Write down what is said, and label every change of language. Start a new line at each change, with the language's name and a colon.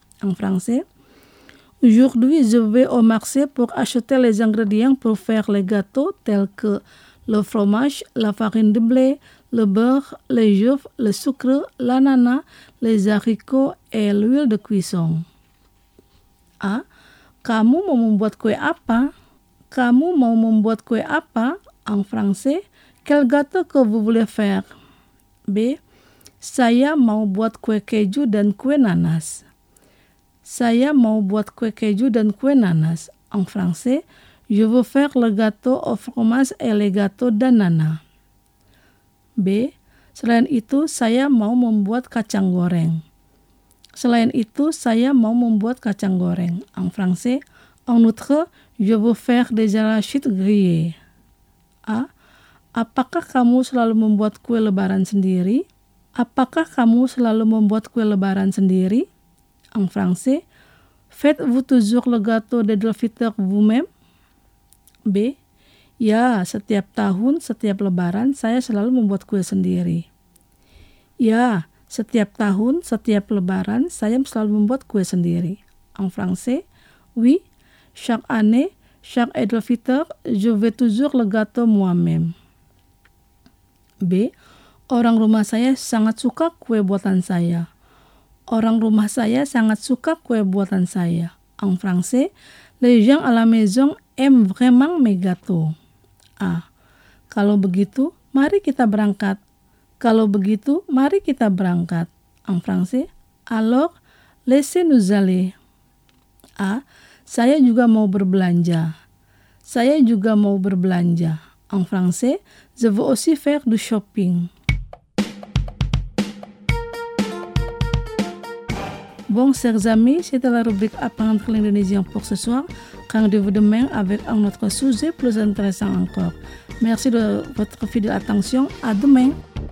French: En français, aujourd'hui, je vais au marché pour acheter les ingrédients pour faire les gâteaux tels que le fromage, la farine de blé, le beurre, les œufs, le sucre, l'ananas, les haricots et l'huile de cuisson. A.
Indonesian: Kamu mau membuat kue apa? Kamu mau membuat kue apa?
French: En français, quel gâteau que vous voulez faire? B.
Indonesian: Saya mau buat kue keju dan kue nanas. Saya mau buat kue keju dan kue nanas.
French: En français, je veux faire le gâteau au fromage et le gâteau d'ananas. B.
Indonesian: Selain itu, saya mau membuat kacang goreng. Selain itu, saya mau membuat kacang goreng.
French: En français, en outre, je veux faire des arachides grillées. A.
Indonesian: Apakah kamu selalu membuat kue lebaran sendiri? Apakah kamu selalu membuat kue lebaran sendiri?
French: En français, faites-vous toujours le gâteau de Delphiteur vous-même? B.
Indonesian: Ya, setiap tahun, setiap lebaran, saya selalu membuat kue sendiri. Ya, setiap tahun, setiap lebaran, saya selalu membuat kue sendiri.
French: En français, oui, chaque année, chaque Delphiteur, je fais toujours le gâteau moi-même. B.
Indonesian: Orang rumah saya sangat suka kue buatan saya. Orang rumah saya sangat suka kue buatan saya.
French: En français, les gens à la maison aiment vraiment mes gâteaux. A.
Indonesian: Kalau begitu, mari kita berangkat. Kalau begitu, mari kita berangkat.
French: En français, alors, laissez-nous aller. A.
Indonesian: Saya juga mau berbelanja. Saya juga mau berbelanja.
French: En français, je veux aussi faire du shopping. Bon, chers amis, c'était la rubrique Apprendre l'Indonésien pour ce soir. Rendez-vous demain avec un autre sujet plus intéressant encore. Merci de votre fidèle attention. À demain.